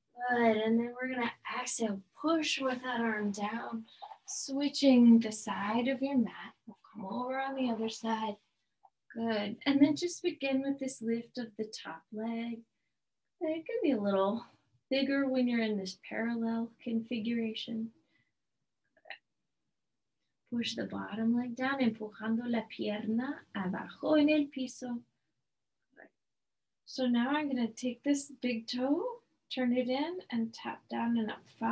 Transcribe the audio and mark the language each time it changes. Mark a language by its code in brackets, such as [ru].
[en] Good, and then we're gonna exhale, push with that arm down, switching the side of your mat. We'll come over on the other side. Good, and then just begin with this lift of the top leg. It can be a little bigger when you're in this parallel configuration. Push the bottom leg down, [es] empujando la pierna abajo en el piso. [en] So now I'm gonna take this big toe, turn it in and tap down and up.